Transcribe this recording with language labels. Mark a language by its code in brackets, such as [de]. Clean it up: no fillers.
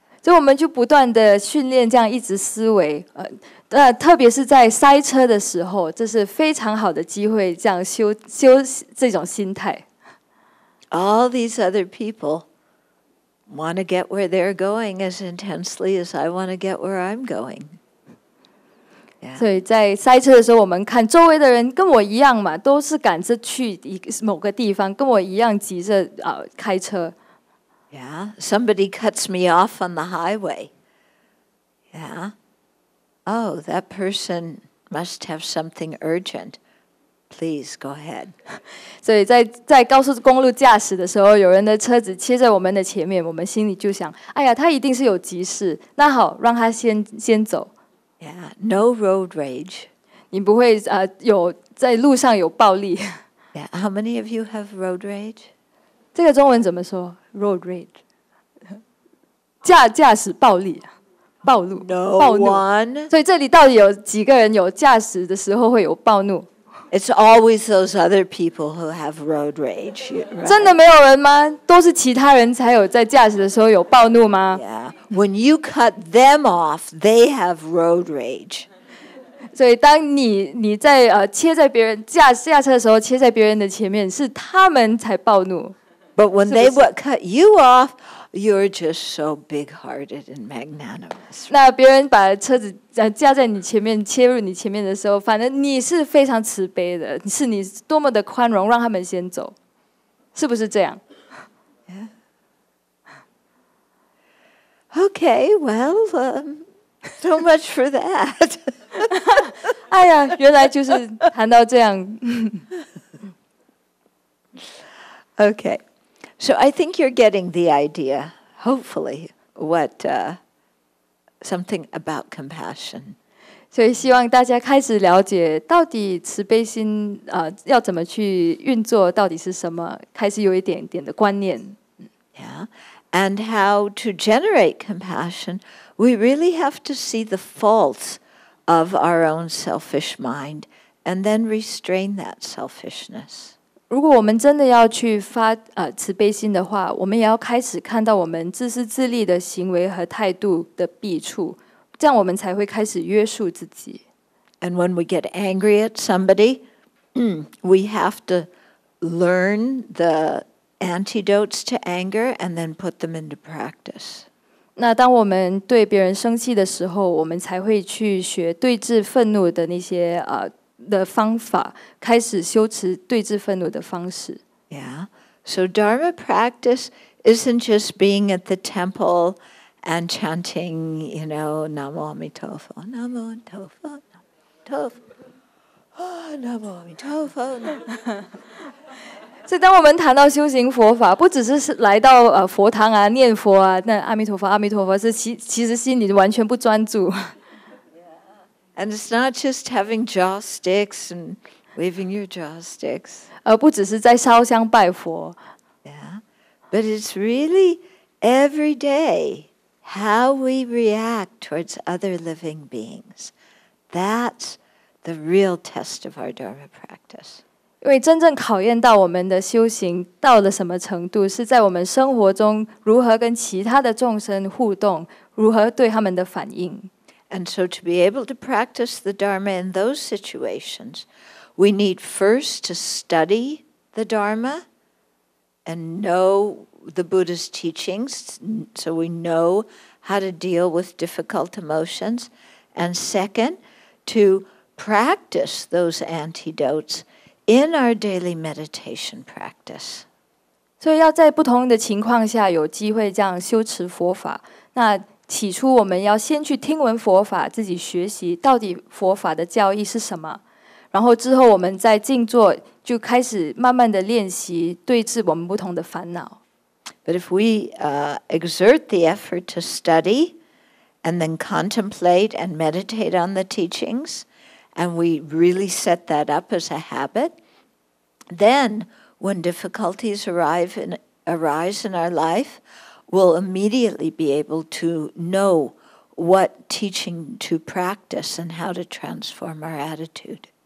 [en] So we just [zh] 不断的训练这样一直思维，特别是在塞车的时候，这是非常好的机会，这样修这种心态。 [en] All these other people want to get where they're going as intensely as I want to get where I'm going. Yeah. [zh] 所以在塞车的时候，我们看周围的人跟我一样嘛，都是赶着去某个地方，跟我一样急着开车。 [en] Yeah, somebody cuts me off on the highway. Yeah. Oh, that person must have something urgent. Please go ahead. [zh] 所以在高速公路驾驶的时候，有人的车子切在我们的前面，我们心里就想：哎呀，他一定是有急事。那好，让他先走。 [en] Yeah, no road rage. [zh] 你不会有在路上有暴力。 [en] Yeah, how many of you have road rage? [zh] 这个中文怎么说？ [en] Road rage. [zh] 驾驶暴力。暴怒。 [en] No [zh] 暴怒 [en] one. [zh] 所以这里到底有几个人有驾驶的时候会有暴怒？ [en] It's always those other people who have road rage.、Right? [zh] 真的没有人吗？都是其他人才有在驾驶的时候有暴怒吗 [en] ？Yeah, when you cut them off, they have road rage. [zh] 所以当你在切在别人驾车的时候，切在别人的前面，是他们才暴怒。 [en] But when they would cut you off, you're just so big-hearted and magnanimous. [zh] 那别人把车子架在你前面，切入你前面的时候，反正你是非常慈悲的，是你多么的宽容，让他们先走，是不是这样 [en] ？Yeah. Okay. Well, so much for that. [zh] 哎呀，原来就是谈到这样。 [en] Okay. So I think you're getting the idea, hopefully, what something about compassion. [zh] 所以希望大家开始了解到底慈悲心要怎么去运作，到底是什么，开始有一点点的观念。 [en] Yeah, and how to generate compassion, we really have to see the faults of our own selfish mind and then restrain that selfishness. [zh] 如果我们真的要去发慈悲心的话，我们也要开始看到我们自私自利的行为和态度的弊处，这样我们才会开始约束自己。 [en] And when we get angry at somebody, we have to learn the antidotes to anger and then put them into practice. [zh] 那当我们对别人生气的时候，我们才会去学对治愤怒的那些的方法，开始修持对治愤怒的方式。 [en] Yeah, so Dharma practice isn't just being at the temple and chanting, you know, Namo Amitabha, Namo Amitabha, Namo Amitabha. [zh] 所以，当我们谈到修行佛法，不只是来到佛堂啊，念佛啊，那阿弥陀佛，阿弥陀佛，是其实心里完全不专注。 [en] And it's not just having jaw sticks and waving your jaw sticks. [zh] 不只是在烧香拜佛。 [en] Yeah. But it's really every day how we react towards other living beings. That's the real test of our Dharma practice. [zh] 因为真正考验到我们的修行到了什么程度，是在我们生活中如何跟其他的众生互动，如何对他们的反应。 [en] And so to be able to practice the Dharma in those situations, we need first to study the Dharma and know the Buddha's teachings, so we know how to deal with difficult emotions. And second, to practice those antidotes in our daily meditation practice. [zh] 所以要在不同的情况下有机会这样修持佛法，那起初我们要先去听闻佛法，自己学习到底佛法的教义是什么，然后之后我们在静坐就开始慢慢的练习对治我们不同的烦恼。 [en] But if we exert the effort to study and then contemplate and meditate on the teachings and we really set that up as a habit, then when difficulties arise in our life,will immediately be able to know what teaching to practice and how to transform our attitude.